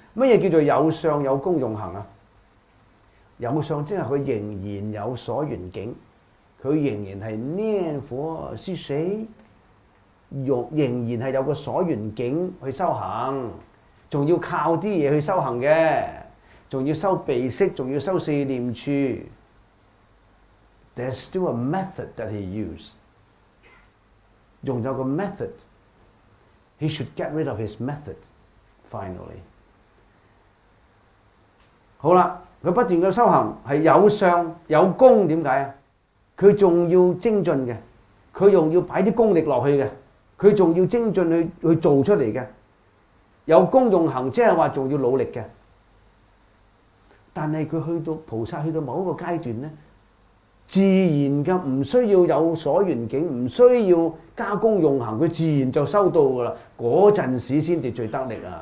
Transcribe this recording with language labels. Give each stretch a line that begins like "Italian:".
Chinese: 乜嘢叫做有相有功用行啊？有相即是他仍然有所緣境，他仍然是念佛是誰，仍然是有個所緣境去修行，還要靠一些東西去修行的，還要修鼻息，還要修四念處。
English: There's still a method that he used，
Chinese: 還有個 method，
English: He should get rid of his method finally。
Chinese: 好了，他不斷的修行是有相有功，為什麼？他還要精進的，他還要放一些功力下去的，他還要精進 去做出來的。有功用行即是說還要努力的，但是他去到菩薩去到某一個階段呢，自然的不需要有所緣境，不需要加功用行，他自然就修到了，那時候才最得力。